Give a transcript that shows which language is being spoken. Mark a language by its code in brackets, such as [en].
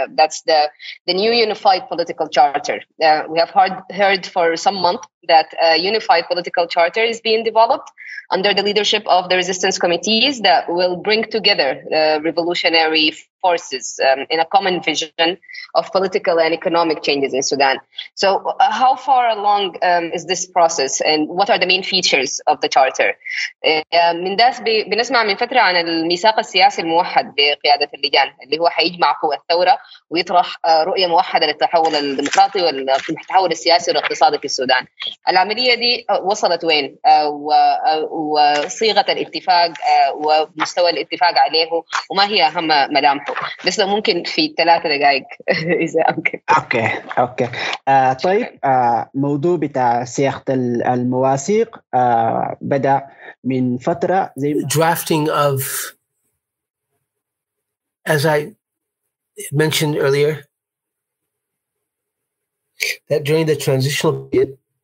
[en] That's the new unified political charter. We have heard for some month that a unified political charter is being developed under the leadership of the resistance committees that will bring together revolutionary forces in a common vision of political and economic changes in Sudan. So how far along is this process, and what are the main features of the charter? [ar] Mindas, بنسمع من فترة عن الميثاق السياسي الموحد بقيادة اللجان اللي هو حيجمع قوى الثورة ويطرح رؤية موحدة للتحول الديمقراطي والتحول السياسي والاقتصادي في السودان. العملية دي وصلت وين؟ وصيغة الاتفاق ومستوى الاتفاق عليه وما هي أهم ملامح؟ بس لو ممكن في 3 دقائق إذا أمكن. أوكي. طيب موضوع بتاع صياغة المواثيق بدأ من فترة زي. [en] Drafting of, as I mentioned earlier, that during the transitional period.